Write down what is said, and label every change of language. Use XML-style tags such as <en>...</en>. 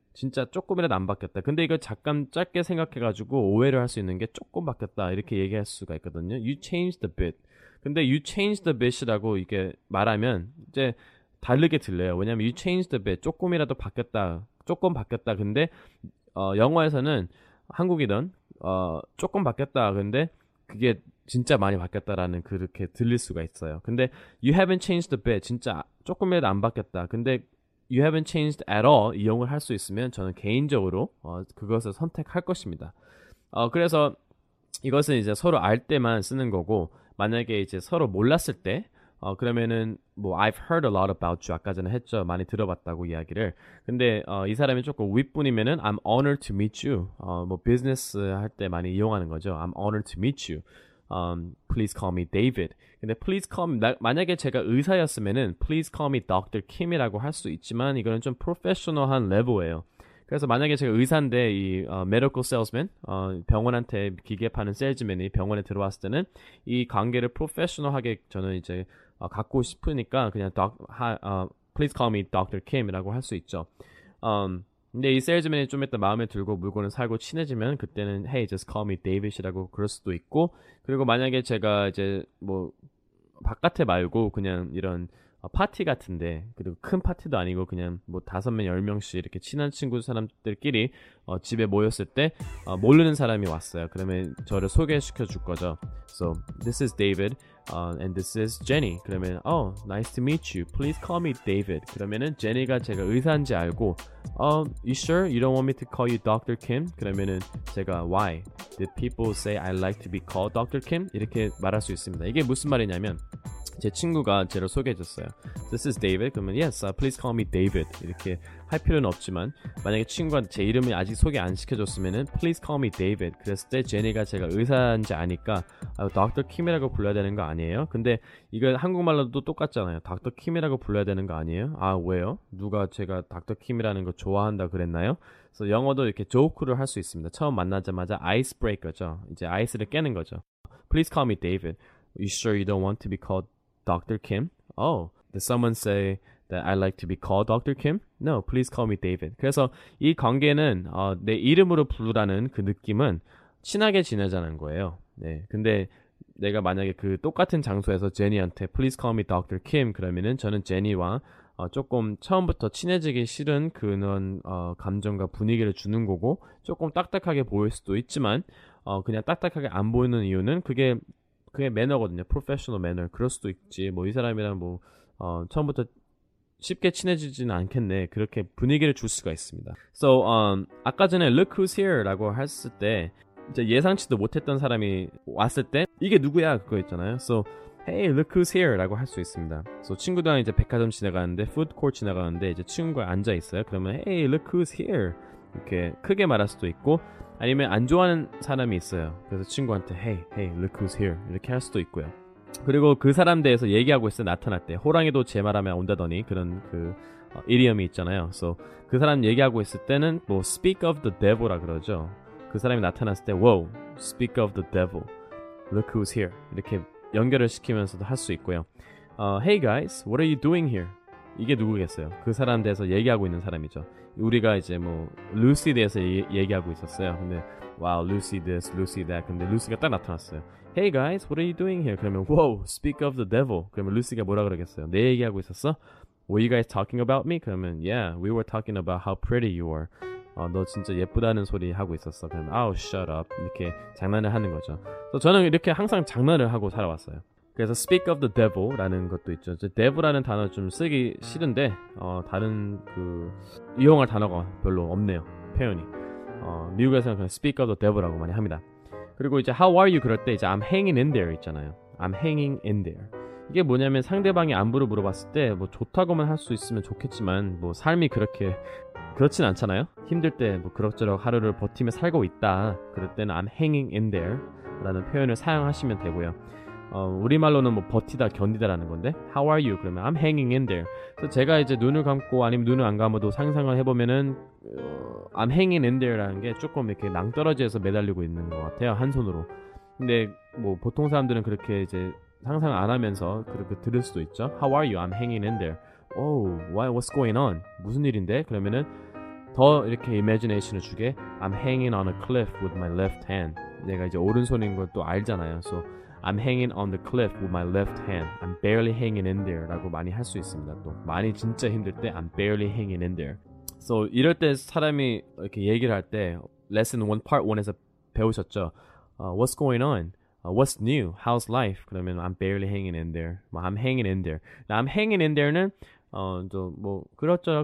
<ko>진짜 조금이라도 안 바뀌었다. 근데 이걸 잠깐 짧게 생각해가지고 오해를 할 수 있는 게 조금 바뀌었다 이렇게 얘기할 수가 있거든요.</ko> <en>You changed a bit.</en> <ko>근데</ko> <en>You changed a bit</en> <ko>이라고 이게 말하면 이제 다르게 들려요. 왜냐면</ko> <en>You changed a bit.</en> <ko>조금이라도 바뀌었다. 조금 바뀌었다. 근데 영어에서는 한국이든 조금 바뀌었다. 근데 그게 진짜 많이 바뀌었다라는 그렇게 들릴 수가 있어요. 근데</ko> <en>You haven't changed a bit.</en> <ko>진짜 조금이라도 안 바뀌었다. 근데</ko> <en>You haven't changed at all</en> <ko>이용을 할 수 있으면 저는 개인적으로 그것을 선택할 것입니다. 그래서 이것은 이제 서로 알 때만 쓰는 거고 만약에 이제 서로 몰랐을 때 그러면은 뭐</ko> <en>I've heard a lot about you</en> <ko>아까 전에 했죠. 많이 들어봤다고 이야기를. 근데 이 사람이 조금 윗분이면은</ko> <en>I'm honored to meet you.</en> <ko>뭐 비즈니스 할 때 많이 이용하는 거죠.</ko> <en>I'm honored to meet you. Please call me David.</en> <ko>근데</ko> <en>please call me,</en> <ko>만약에 제가 의사였으면은</ko> <en>please call me Dr.</en> <ko>Kim이라고 할 수 있지만 이거는 좀 프로페셔널한 레벨이에요. 그래서 만약에 제가 의사인데 이 medical salesman, 병원한테 기계 파는 salesman이 병원에 들어왔을 때는 이 관계를 프로페셔널하게 저는 이제 갖고 싶으니까 그냥</ko> <en>please call me Dr.</en> <ko>Kim이라고 할 수 있죠. 근데 이 salesman이 좀 이따 마음에 들고 물건을 사고 친해지면 그때는</ko> <en>Hey, just call me David</en> <ko>이라고 그럴 수도 있고 그리고 만약에 제가 이제 뭐 바깥에 말고 그냥 이런 파티 같은데 그리고 큰 파티도 아니고 그냥 뭐 5명, 10명씩 이렇게 친한 친구 사람들끼리 집에 모였을 때 모르는 사람이 왔어요. 그러면 저를 소개시켜 줄 거죠.</ko> <en>So, this is David and this is Jenny.</en> <ko>그러면</ko> <en>Oh, nice to meet you. Please call me David.</en> <ko>그러면은 제니가 제가 의사인지 알고</ko> <en>you sure? You don't want me to call you Dr.</en> <ko>Kim? 그러면은 제가 Why?</ko> <en>Did people say I like to be called Dr. Kim?</en> <ko>이렇게 말할 수 있습니다. 이게 무슨 말이냐면 제 친구가 제를 소개해줬어요.</ko> <en>This is David.</en> <ko>그러면</ko> <en>Yes, please call me David.</en> <ko>이렇게 할 필요는 없지만 만약에 친구가 제 이름을 아직 소개 안 시켜줬으면</ko> <en>Please call me David.</en> <ko>그랬을 때 제니가 제가 의사인지 아니까 Dr. Kim이라고 불러야 되는 거 아니에요? 근데 이걸 한국말로도 똑같잖아요.</ko> <en>Dr.</en> <ko>Kim이라고 불러야 되는 거 아니에요? 아, 왜요? 누가 제가 Dr. Kim이라는 거 좋아한다 그랬나요? 그래서 영어도 이렇게 조크를 할 수 있습니다. 처음 만나자마자 아이스 브레이커죠. 이제 아이스를 깨는 거죠.</ko> <en>Please call me David. You sure you don't want to be called Dr. Kim? Oh, did someone say that I like to be called Dr. Kim? No, please call me David.</en> <ko>그래서 이 관계는 내 이름으로 부르라는 그 느낌은 친하게 지내자는 거예요. 네, 근데 내가 만약에 그 똑같은 장소에서 제니한테</ko> <en>Please call me Dr.</en> <ko>Kim 그러면은 저는 제니와 조금 처음부터 친해지기 싫은 그런 감정과 분위기를 주는 거고 조금 딱딱하게 보일 수도 있지만 그냥 딱딱하게 안 보이는 이유는 그게 매너거든요. 프로페셔널 매너. 그럴 수도 있지. 뭐 이 사람이랑 뭐 처음부터 쉽게 친해지지는 않겠네. 그렇게 분위기를 줄 수가 있습니다. So, 아까 전에 Look who's here라고 했을 때 이제 예상치도 못했던 사람이 왔을 때 이게 누구야? 그거 있잖아요.</ko> <en>So, Hey, look who's here!</en> <ko>라고 할 수 있습니다. So, 친구들이랑 이제 백화점 지나가는데 푸드코트 지나가는데 이제 친구가 앉아있어요.</ko> <en>그러면 Hey, look who's here!</en> <ko>이렇게 크게 말할 수도 있고 아니면 안 좋아하는 사람이 있어요. 그래서 친구한테</ko> <en>Hey, look who's here!</en> <ko>이렇게 할 수도 있고요. 그리고 그 사람 대해서 얘기하고 있어 나타났대. 호랑이도 제 말하면 온다더니 그런 그 이디엄이 있잖아요. So, 그 사람 얘기하고 있을 때는 뭐</ko> <en>speak of the devil</en> <ko>라 그러죠.</ko> <en>그 사람이 나타났을 때 Whoa, speak of the devil. Look who's here.</en> <ko>이렇게 연결을 시키면서도 할 수 있고요.</ko> <en>Hey guys, what are you doing here?</en> <ko>이게 누구겠어요? 그 사람 대해서 얘기하고 있는 사람이죠. 우리가 이제 뭐 루시 대해서 얘기하고 있었어요.</ko> <en>근데 Wow, Lucy this, Lucy that.</en> <ko>근데 루시가 딱 나타났어요.</ko> <en>Hey guys, what are you doing here? 그러면 Whoa, speak of the devil.</en> <ko>그러면 루시가 뭐라 그러겠어요? 내 얘기하고 있었어?</ko> <en>Were you guys talking about me?</en> <ko>그러면</ko> <en>Yeah, we were talking about how pretty you were.</en> <ko>어, 너 진짜 예쁘다는 소리 하고 있었어. 그러면</ko> <en>Oh, shut up.</en> <ko>이렇게 장난을 하는 거죠. 그래서 저는 이렇게 항상 장난을 하고 살아왔어요. 그래서</ko> <en>speak of the devil</en> <ko>라는 것도 있죠. devil라는 단어 좀 쓰기 싫은데 어, 다른 그 이용할 단어가 별로 없네요. 표현이. 어, 미국에서는 그냥</ko> <en>speak of the devil</en> <ko>라고 많이 합니다. 그리고 이제 how are you 그럴 때 이제</ko> <en>I'm hanging in there</en> <ko>있잖아요.</ko> <en>I'm hanging in there.</en> <ko>이게 뭐냐면 상대방이 안부를 물어봤을 때 뭐 좋다고만 할 수 있으면 좋겠지만 뭐 삶이 그렇게 그렇진 않잖아요. 힘들 때 뭐 그럭저럭 하루를 버티며 살고 있다. 그럴 때는</ko> <en>I'm hanging in there</en> <ko>라는 표현을 사용하시면 되고요. 어, 우리말로는 뭐 버티다 견디다라는 건데</ko> <en>How are you? 그러면 I'm hanging in there.</en> <ko>그래서 제가 이제 눈을 감고 아니면 눈을 안 감아도 상상을 해보면은</ko> <en>I'm hanging in there</en> <ko>라는 게 조금 이렇게 낭떠러지에서 매달리고 있는 것 같아요. 한 손으로. 근데 뭐 보통 사람들은 그렇게 이제 상상 안 하면서 그렇게 들을 수도 있죠.</ko> <en>How are you? I'm hanging in there. Oh, why? What's going on?</en> <ko>무슨 일인데? 그러면은 더 이렇게 imagination을 주게</ko> <en>I'm hanging on a cliff with my left hand.</en> <ko>내가 이제 오른손인 걸 또 알잖아요.</ko> <en>So I'm hanging on the cliff with my left hand. I'm barely hanging in there.</en> <ko>라고 많이 할 수 있습니다. 또 많이 진짜 힘들 때</ko> <en>I'm barely hanging in there.</en> <ko>So 이럴 때 사람이 이렇게 얘기를 할 때 Lesson 1 Part 1에서 배우셨죠?</ko> <en>What's going on? What's new? How's life? 그러면 I'm barely hanging in there. I'm hanging in there. Now, I'm hanging in there</en> <ko>는 뭐 그렇죠.</ko>